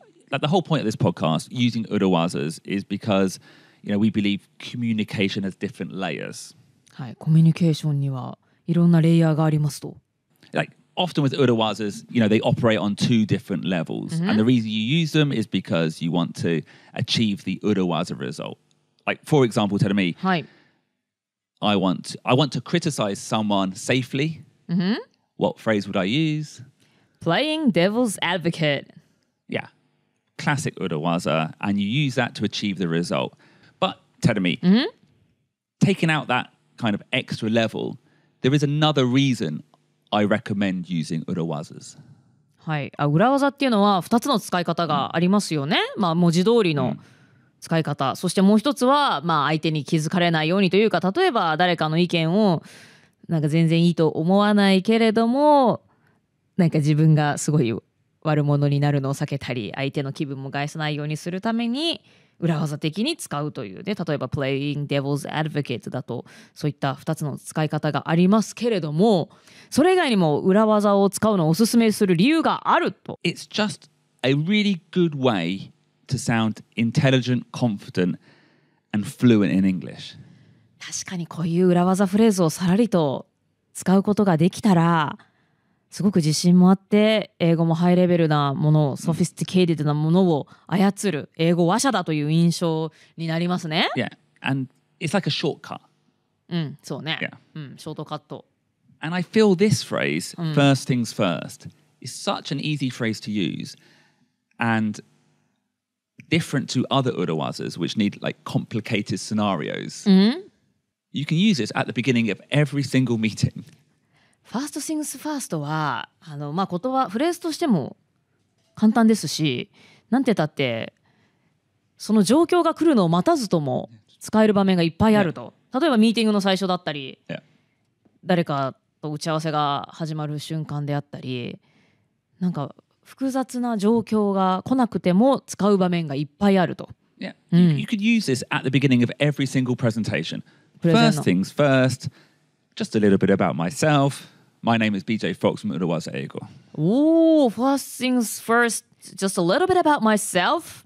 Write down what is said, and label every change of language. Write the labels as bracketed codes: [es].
[en] Like the whole point of this podcast, using urawazas, is because, you know, we believe communication has different layers. [ja] はい、コミュニケーションにはいろんなレイヤーがありますと。 [en] Like often with urawazas, you know, they operate on two different levels.、Mm-hmm. And the reason you use them is because you want to achieve the urawaza result. Like, for example, tell me,、はい、 I want to criticize someone safely.、 Mm-hmm. What phrase would I use? Playing devil's advocate. Yeah. Classic urawaza. And you use that to achieve the result. But tell me,、 mm-hmm. taking out that kind of extra level, there is another reason. I recommend using urawazas. [ja] はい、あ、裏技っていうのは2つの使い方がありますよね。まあ文字通りの使い方、そしてもう一つは、まあ、相手に気づかれないようにというか、例えば誰かの意見をなんか全然いいと思わないけれども、なんか自分がすごい悪者になるのを避けたり、相手の気分も害さないようにするために裏技的に使うというね。例えば playing devil's advocate だとそういった2つの使い方がありますけれども、それ以外にも裏技を使うのをおすすめする理由があると。 [en] It's just a really good way to sound intelligent, confident and fluent in English. [ja] 確かにこういう裏技フレーズをさらりと使うことができたらすごく自信もあって、英語もハイレベルなものを、ソフィスティケイティドなものを操る英語話者だという印象になりますね。 [en] Yeah, and it's like a shortcut. [ja] うん、そうね。 [en] Yeah. [ja] うん、ショートカット。 [en] And I feel this phrase,、first things first, is such an easy phrase to use and different to other urawazas, which need like complicated scenarios.、You can use this at the beginning of every single meeting. [ja] First things first は、まあ、言葉、フレーズとしても簡単ですし、なんて言ったって、その状況が来るのを待たずとも使える場面がいっぱいあると。 [en] Yeah. [ja] 例えばミーティングの最初だったり、 [en] yeah. [ja] 誰かと打ち合わせが始まる瞬間であったり、なんか複雑な状況が来なくても使う場面がいっぱいあると。 [en] Yeah. You could use this at the beginning of every single presentation. First things first.Just a little bit about myself. My name is BJ Fox from 裏技英語. Ooh, first things first, just a little bit about myself.